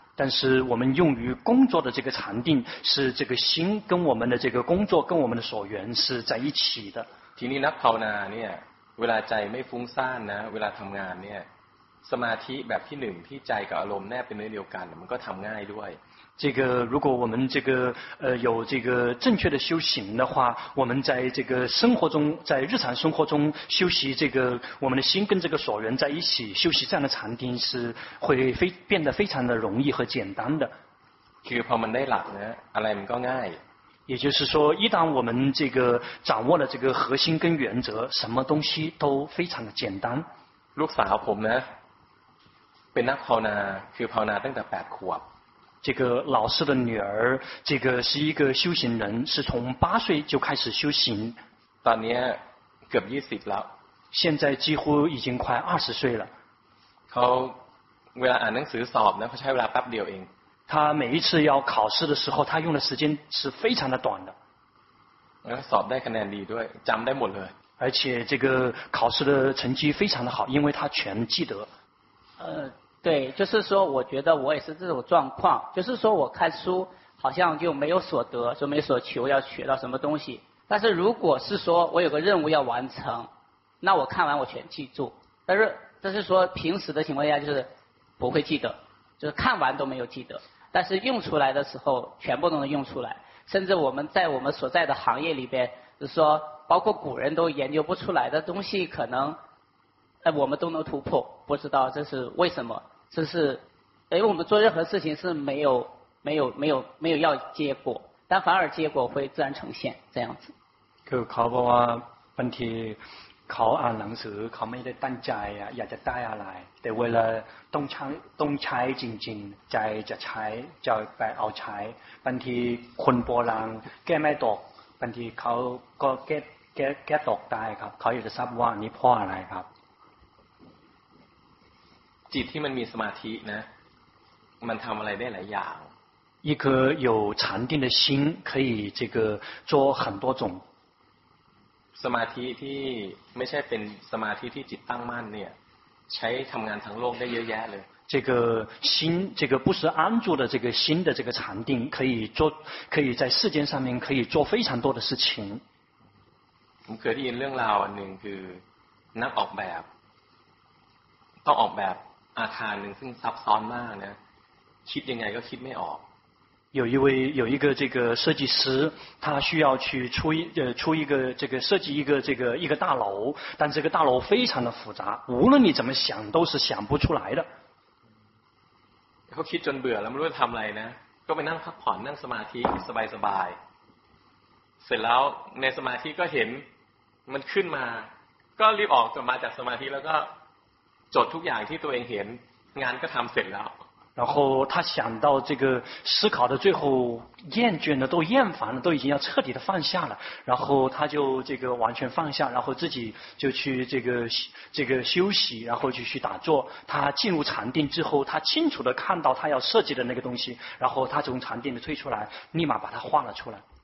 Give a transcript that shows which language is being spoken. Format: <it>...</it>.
<zh>但是我们用于工作的这个禅定是这个心跟我们的这个工作跟我们的所缘是在一起的</zh> <th>ทีนี้นักภาวนาเนี่ยเวลาใจไม่ฟุ้งซ่านนะเวลาทำงานเนี่ยสมาธิแบบที่หนึ่งที่ใจกับอารมณ์แนบเป็นเนื้อเดียวกันมันก็ทำง่ายด้วย</th> <zh>这个如果我们这个有这个正确的修行的话，我们在这个生活中，在日常生活中修习这个我们的心跟这个所缘在一起修习这样的禅定是会变得非常的容易和简单的。</zh> <th>คือพอมันได้หลักนะอะไรมันก็ง่าย</th> <zh>也就是说，一旦我们这个掌握了这个核心跟原则，什么东西都非常的简单。</zh> <th>ลูกสาวผมนะเป็นนักภาวนาคือภาวนาตั้งแต่8ขวบ</th> <zh>这个老师的女儿这个是一个修行人是从8岁就开始修行</zh> <th>ตอนนี้เกือบ20แล้ว</th> <zh>现在几乎已经快20岁了</zh> <th>เขาเวลาอ่านหนังสือสอบนะเขาใช้เวลาแป๊บเดียวเอง</th> <zh>他每一次要考试的时候他用的时间是非常的短的</zh> <th>สอบได้คะแนนดีด้วยจำได้หมดเลย</th> <zh>而且这个考试的成绩非常的好因为他全记得对，就是说，我觉得我也是这种状况，就是说我看书好像就没有所得，就没所求，要学到什么东西。但是如果是说我有个任务要完成，那我看完我全记住。但是说平时的情况下就是不会记得，就是看完都没有记得。但是用出来的时候全部都能用出来，甚至我们在我们所在的行业里边，就是说包括古人都研究不出来的东西，可能。哎，我们都能突破，不知道这是为什么？这是，因为我们做任何事情是没有要结果，但反而结果会自然呈现这样子。</zh> <th>คือเขาบอกว่าบางทีเขาอ่านหนังสือเขาไม่ได้ตั้งใจอ่ะอยากจะได้อะไรแต่เวลาต้องใช้จริงจริงใจจะใช้จะไปเอาใช้บางทีคนโบราณแก้ไม่ตกบางทีเขาก็แก้ตกตายครับเขาอยากจะทราบว่านี่เพราะอะไรครับ จิตที่มันมีสมาธินะมันทำอะไรได้หลายอย่าง</th> <zh>一颗有禅定的心可以这个做很多种</zh> <th>สมาธิที่ไม่ใช่เป็นสมาธิที่จิตตั้งมั่นเนี่ยใช้ทำงานทั้งโลกได้เยอะแยะเลย</th> <zh>这个心这个不是安住的这个心的这个禅定可以做可以在世间上面可以做非常多的事情</zh> <th>ผมเคยได้ยินเรื่องราวอันหนึ่งคือนักออกแบบต้องออกแบบอาคารหนึ่งซึ่งซับซ้อนมากนะคิดยังไงก็คิดไม่ออก</th> <zh>有一个这个设计师，他需要去出一个这个设计一个大楼，但这个大楼非常的复杂，无论你怎么想都是想不出来的。</zh> <th>เขาคิดจนเบื่อแล้วไม่รู้จะทำอะไรนะก็ไปนั่งพักผ่อนนั่งสมาธิสบายสบายเสร็จแล้วในสมาธิก็เห็นมันขึ้นมาก็รีบออกจะมาจากสมาธิแล้วก็จดทุกอย่างที่ตัวเองเห็นงานก็ทำเสร็จแล้ว</th> <zh>然后他想到这个思考的最后厌倦了都厌烦了都已经要彻底的放下了然后他就这个完全放下然后自己就去这个休息然后就去打坐他进入禅定之后他清楚的看到他要设计的那个东西然后他从禅定的退出来立马把它画了出来</zh>